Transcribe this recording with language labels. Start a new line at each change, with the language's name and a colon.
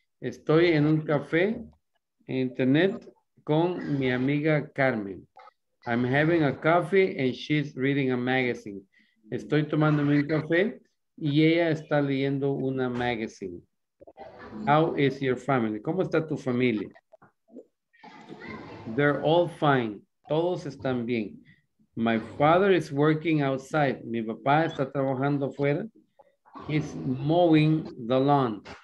Spanish: Estoy en un café en internet con mi amiga Carmen.
English: I'm having a coffee and she's reading a magazine.
Spanish: Estoy tomando mi café y ella está leyendo una magazine.
English: How is your family?
Spanish: ¿Cómo está tu familia?
English: They're all fine.
Spanish: Todos están bien.
English: My father is working outside.
Spanish: Mi papá está trabajando afuera.
English: He's mowing the lawn.